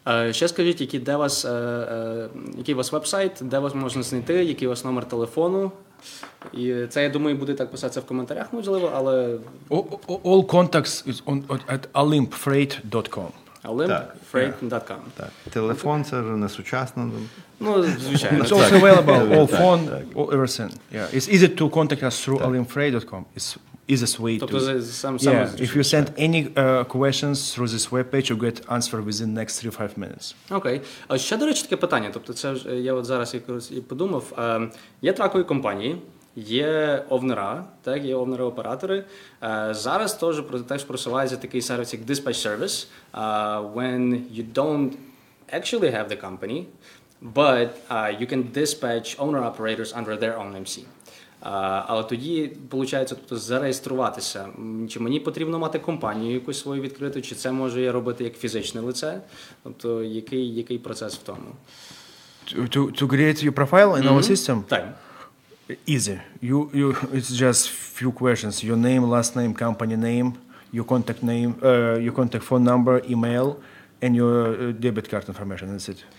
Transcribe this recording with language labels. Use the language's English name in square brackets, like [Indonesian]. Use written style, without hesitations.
[Ukrainian] Ще скажіть, який у вас веб-сайт, де вас можна знайти, який у вас номер телефону. І це, я думаю, буде так писатися в коментарях, можливо, але... [English] All contacts is at alimpfreight.com. Alimpfreight.com. [Ukrainian] Так. Телефон, це вже не сучасно. Ну, звичайно. [English] It's also available, all phone, all everything. Yeah. It's easy to contact us through alimpfreight.com. It's easiest way to... If you send any questions through this webpage, you get answer within next 3-5 minutes. [Ukrainian] Окей. А ще, до речі, таке питання. Тобто це ж я от зараз якось і подумав. Є тракові компанії, є овнера, так, є овнери-оператори. Зараз теж теж просувається такий сервіс, як dispatch service. [English] When you don't actually have the company, but you can dispatch owner-operators under their own MC. [Ukrainian] Але тоді, виходить, тобто, зареєструватися. Чи мені потрібно мати компанію якусь свою відкриту, чи це можу я робити як фізичне лице? Тобто, який процес в тому? [English] To create your profile in our system? [Ukrainian] Так. [English] Easy. You it's just few questions. Your name, last name, company name, your contact phone number, email, and your debit card information. That's it.